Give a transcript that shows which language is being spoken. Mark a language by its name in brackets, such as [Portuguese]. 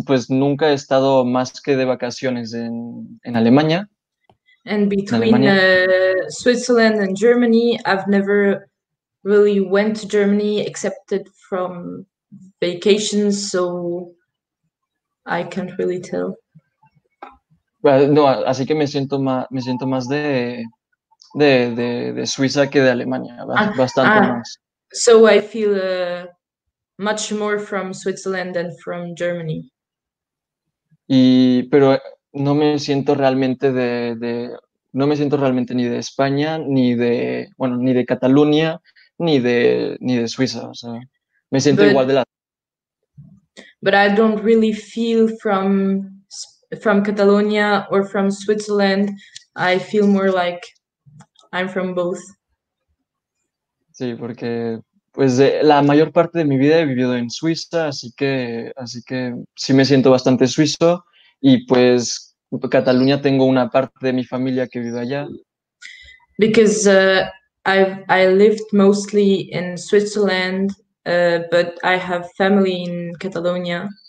[Spanish] Nunca he estado más que de vacaciones en Alemania. [English] And between Alemania. Switzerland and Germany, I've never really went to Germany except from vacations, so I can't really tell. [Spanish] No, así que me siento más de Suiza que de Alemania, bastante más. [English] So I feel much more from Switzerland than from Germany. [Spanish] Pero no me siento realmente ni de España ni de Cataluña ni de Suiza. O sea, me siento igual de la. [English] But I don't really feel from Catalonia or from Switzerland. I feel more like I'm from both. [Spanish] Sí, porque. Pues la mayor parte de mi vida he vivido en Suiza, así que sí me siento bastante suizo y pues Cataluña tengo una parte de mi familia que vive allá. [English] Because I lived mostly in Switzerland, but I have family in Catalonia.